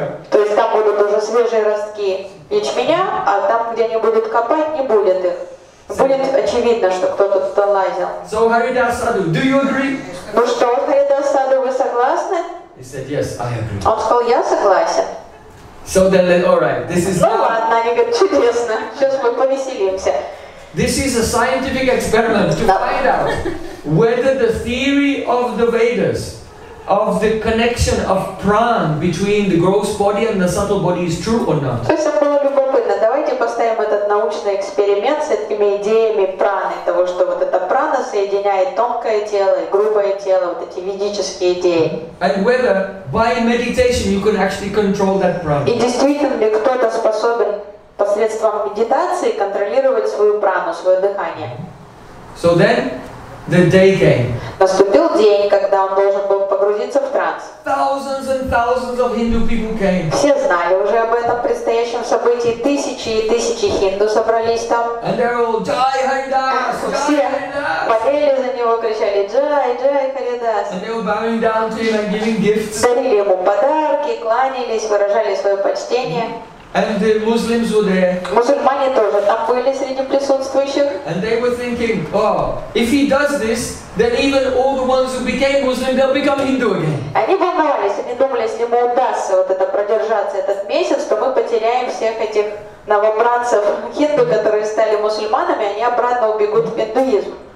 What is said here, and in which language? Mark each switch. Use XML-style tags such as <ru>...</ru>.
<ru>То есть там будут уже свежие ростки ячменя, а там, где они будут копать, не будет их. Будет очевидно, что кто-то туда лазил.</ru> <en>So Haridas Sadhu, do you agree?</en> <ru>Ну что, Haridas Sadhu, вы согласны?</ru> <en>He said, yes, I agree.</en> <ru>Он сказал, я согласен.</ru> <en>So then, all right, this is now.</en> <ru>Ну ладно, они говорят, чудесно, сейчас мы повеселимся.</ru> <en>This is a scientific experiment to find out whether the theory of the Vedas of the connection of pran between the gross body and the subtle body is true or not.</en> <ru>То есть было любопытно. Давайте поставим этот научный эксперимент с этими идеями праны, того, что вот эта прана соединяет тонкое тело и грубое тело, вот эти ведические идеи.</ru> <en>And whether by meditation you can actually control that prana.</en> <ru>И действительно ли кто-то способен посредством медитации контролировать свою прану, свое дыхание?</ru> <en>So then the day came.</en> <ru>Наступил день, когда он должен был погрузиться в транс.</ru> <en>Thousands and thousands of Hindu people came.</en> <ru>Все знали уже об этом предстоящем событии. Тысячи и тысячи хинду собрались там.</ru> <en>And they're all, Jai Haridas!</en> <ru>Все болели за него, кричали, Jai, Jai Haridas!</ru> <en>And they were bowing down to him and giving gifts.</en> <ru>Дарили ему подарки, кланялись, выражали свое почтение.</ru> <en>And the Muslims were there.</en> <ru>Мусульмане тоже там были среди присутствующих.</ru> <en>And they were thinking, oh, if he does this, then even all the ones who became Muslim, they'll become Hindu again.</en> <ru>Они волновались, они думали, если ему удастся вот это продержаться этот месяц, то мы потеряем всех этих новобранцев хинду, которые стали мусульманами, они обратно убегут в индуизм.</ru>